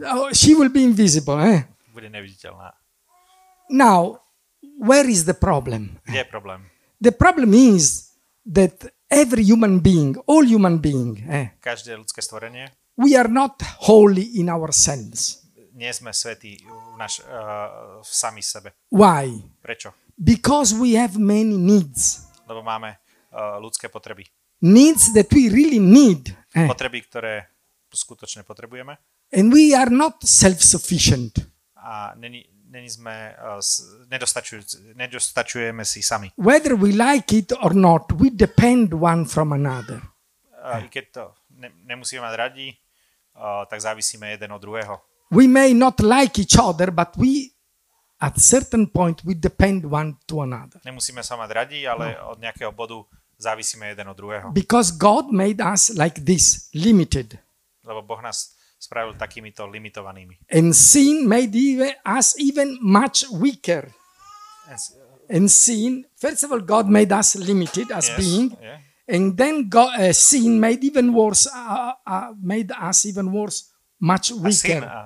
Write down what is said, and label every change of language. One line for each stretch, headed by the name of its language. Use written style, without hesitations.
English: Oh, she will be invisible, eh?
Slovak: Bude neviditeľná.
English: Now, where is the problem?
Slovak: Kde je problém?
English: The problem is that every human being, all human being,
Slovak: každé ľudské stvorenie,
English: we are not holy in ourselves.
Slovak: Nie sme svätí v sami sebe.
English: Why?
Slovak: Prečo?
English: Because we have many needs.
Slovak: Lebo máme ľudské potreby.
English: Needs that we really need.
Slovak: Potreby, ktoré skutočne potrebujeme.
English: And we are not self-sufficient.
Slovak: A neni sme nedostačujeme si sami.
English: Whether we like it or not, we depend one from another.
Slovak: I keď to nemusíme mať radi, tak závisíme jeden od druhého.
English: We may not like each other, but we at certain point we depend one to another.
Slovak: Nemusíme sa mať radi, ale no. Od nejakého bodu závisíme jeden od druhého.
English: Because God made us like this, limited.
Slovak: Lebo Boh nás spravil takýmito limitovanými.
English: And sin made us even much weaker. And sin, first of all, God made us limited as yes, being. Yeah. And then sin made even worse, made us even worse, much weaker.